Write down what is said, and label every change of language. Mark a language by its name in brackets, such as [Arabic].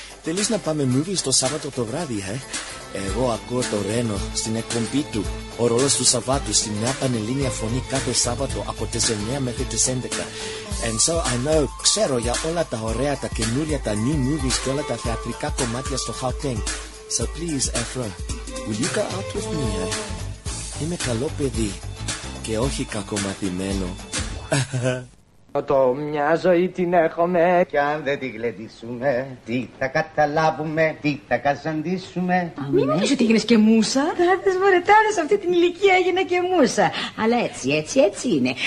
[Greek] Θέλεις να πάμε movie το Σάββατο το βράδυ, eh? Εγώ ακούω το Ρένο στην εκπομπή του, ο ρόλος του Σαββάτου, στην νέα πανελλήνια φωνή κάθε Σάββατο από τις 9 μέχρι τις 11. [English] And so I know, [Greek] ξέρω για όλα τα ωραία, τα καινούρια, τα [English] new movies [Greek] και όλα τα θεατρικά κομμάτια στο Χαουτέν. [English] So please, Ephra, will you go out with me, eh? [Greek] Είμαι καλό παιδί και όχι κακομαθημένο. Το μια ζωή την έχουμε και αν δεν τη γλεντήσουμε τι θα καταλάβουμε, τι θα καζαντήσουμε. Μη νομίζεις ότι έγινες και μούσα. Δάδες μωρέ, τώρα σε αυτή την ηλικία έγινε και μούσα. Αλλά έτσι, έτσι, έτσι είναι.